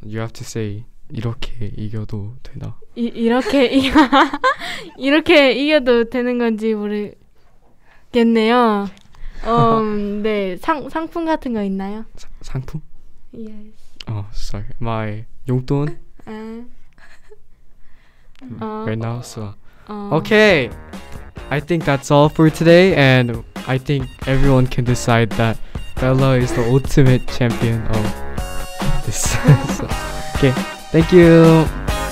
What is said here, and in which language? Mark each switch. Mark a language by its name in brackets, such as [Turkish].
[English] You have to say [Korean] 이렇게 이겨도 되나? 이렇게 이렇게 이겨도 되는 건지 모르겠네요. 네 상품 같은 거 있나요? 상품? [English] Yes. Oh sorry, my 용돈? 아 Right now, so okay, I think that's all for today, and I think everyone can decide that Bella is the ultimate champion of this. So, okay, thank you.